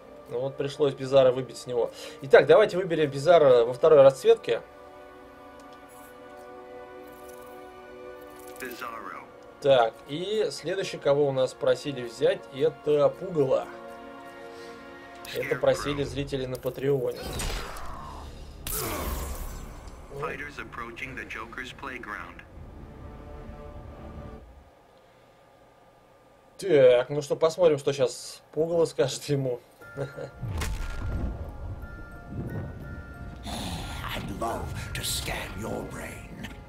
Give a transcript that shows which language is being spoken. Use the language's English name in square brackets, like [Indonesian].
[Russian] Ну вот пришлось Бизара выбить с него. Итак, давайте выберем Бизара во второй расцветке. [English] Bizarro. [Russian] Так, и следующий, кого у нас просили взять, это Пугало. Это просили зрители на Патреоне. [English] Fighters approaching the Joker's playground. [Russian] Так, ну что, посмотрим, что сейчас Пугало скажет ему. [English] I'd love to scan your brain.